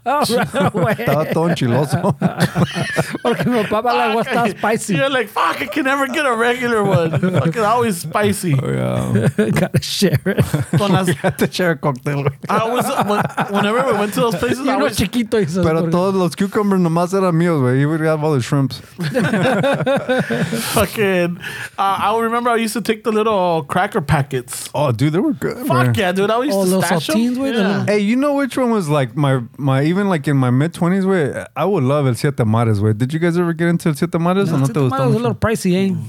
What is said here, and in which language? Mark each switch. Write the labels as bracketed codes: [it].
[en] Oh, right away. [es] Estaba todo enchiloso. Porque mi papá le gustaba spicy. [en] You're like, fuck, I can never get a regular one. Fuck, it's always spicy. Oh, yeah. Gotta share it. We had to share a cocktail, I always, whenever we went to those places, you I know was... [es] chiquito y Pero todos los cucumbers nomás eran míos, güey. [en] He would have all the shrimps. Fucking. I remember I used to take the little cracker packets. Oh, dude, they were good. Fuck, man. Yeah, dude. I used to stash saltines them. With them. Hey, you know which one was like my even like in my mid-20s, way? I would love El Siete Mares, way. Did you guys ever get into El Siete Mares? No, El Siete Mares was a little pricey, eh?